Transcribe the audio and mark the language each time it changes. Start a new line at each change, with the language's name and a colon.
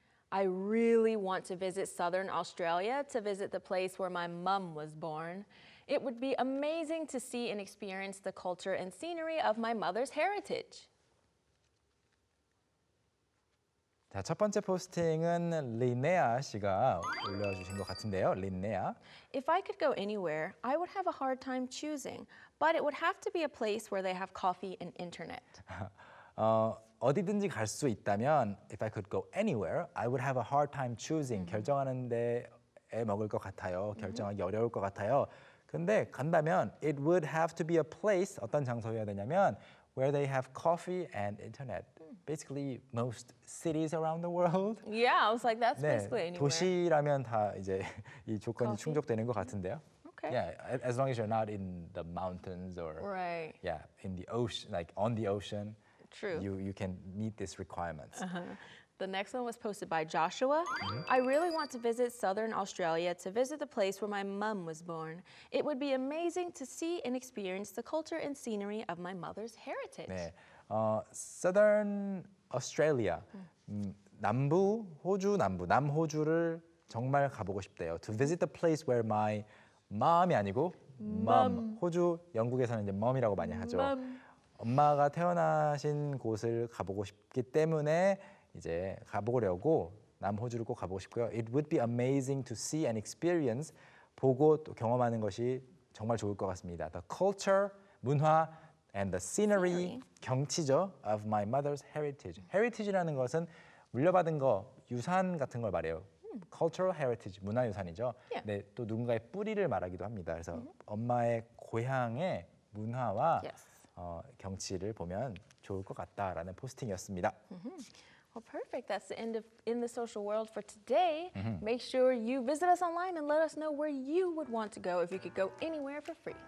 English: I really want to visit Southern Australia to visit the place where my mum was born. It would be amazing to see and experience the culture and scenery of my mother's heritage.
Korean: 자, 첫 번째 포스팅은 리네아 씨가 올려주신 것 같은데요. 리네아.
English: If I could go anywhere, I would have a hard time choosing, but it would have to be a place where they have coffee and internet.
Korean: 어디든지 갈 수 있다면,
English: if I could go anywhere, I would have a hard time choosing. Mm-hmm.
Korean: 결정하는데에 먹을 것 같아요. 결정하기
English: mm-hmm.
Korean: 어려울 것 같아요. 근데 간다면
English: it would have to be a place
Korean: 어떤 장소여야 되냐면
English: where they have coffee and internet. Basically most cities around the world. Yeah, I was like that's 네, basically anywhere.
Korean: 도시라면 다 이제 이 조건이 coffee. 충족되는 것 같은데요.
English: Okay. Yeah, as long as you're not in the mountains or right. Yeah, in the ocean like on the ocean. True. You can meet this requirement. Uh-huh. The next one was posted by Joshua. Mm-hmm. I really want to visit Southern Australia to visit the place where my mum was born. It would be amazing to see and experience the culture and scenery of my mother's heritage.
Korean: 네. Southern Australia. 남부, 호주 남부, 남호주를 정말 가보고 싶대요.
English: To visit the place where my mom
Korean: 이 아니고
English: mum.
Korean: 호주, 영국에서는 이제 mum이라고 많이 하죠.
English: Mom.
Korean: 엄마가 태어나신 곳을 가보고 싶기 때문에 이제 가보려고 남호주를 꼭 가보고 싶고요.
English: It would be amazing to see and experience
Korean: 보고 또 경험하는 것이 정말 좋을 것 같습니다.
English: The culture, 문화 and the scenery, 경치죠. Of my mother's heritage.
Korean: Heritage라는 것은 물려받은 거, 유산 같은 걸 말해요.
English: Cultural heritage, 문화유산이죠. Yeah.
Korean: 네, 또 누군가의 뿌리를 말하기도 합니다. 그래서 mm-hmm. 엄마의 고향의 문화와
English: yes.
Korean: 경치를 보면 좋을 것 같다라는 포스팅이었습니다.
English: Mm-hmm. Well, perfect. That's the end of In the Social World for today. Mm-hmm. Make sure you visit us online and let us know where you would want to go if you could go anywhere for free.